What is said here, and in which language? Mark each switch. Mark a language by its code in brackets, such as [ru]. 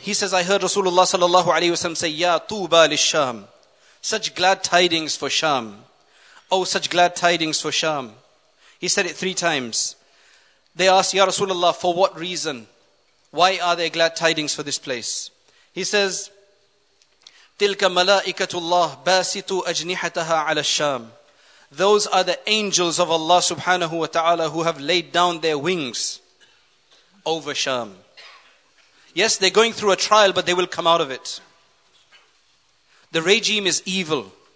[en] He says, I heard Rasulullah sallallahu alayhi wa sallam say, Ya Tuba lishsham. Such glad tidings for Sham. Oh, such glad tidings for Sham. He said it three times. They asked, Ya Rasulullah, for what reason? Why are there glad tidings for this place? He says, [ar] تِلْكَ مَلَائِكَةُ اللَّهِ بَاسِتُ أَجْنِحَتَهَا عَلَى الشَّامِ. [en] Those are the angels of Allah subhanahu wa ta'ala who have laid down their wings over Sham. Yes, they're going through a trial, but they will come out of it. The regime is evil.